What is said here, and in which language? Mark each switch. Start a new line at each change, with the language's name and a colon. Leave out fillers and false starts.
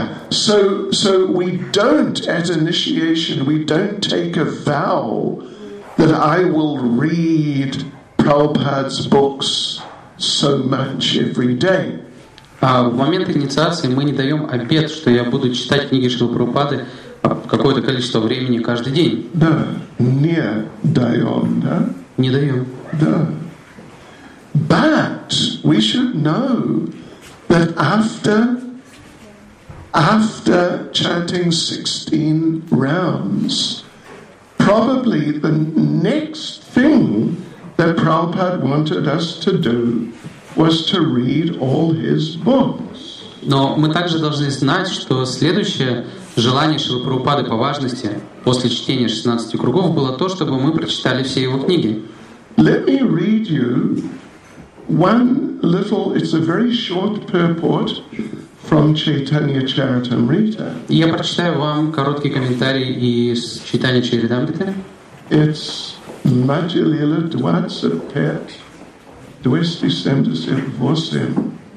English: So we don't, at initiation, we don't take a vow that I will read Prabhupada's books so much every day.
Russian: А в момент инициации мы не даем обет, что я буду читать книги Шрилы Прабхупады какое-то количество времени каждый день. Да, не даем, да? Не даем. Да.
English: But we should know that after chanting 16 rounds, probably the next thing that Prabhupada wanted us to do was to read all his books.
Russian: Но мы также должны знать, что следующее желание Шрилы Прабхупады по важности после чтения 16 кругов было то, чтобы мы прочитали все его книги.
English: Let me read you one little, it's a very short purport from Chaitanya Charitamrita.
Russian: Я прочитаю вам короткий комментарий из Чайтанья Чаритамриты. It's Majjalila Dvatsapet Dvesti Semdesep Vosem.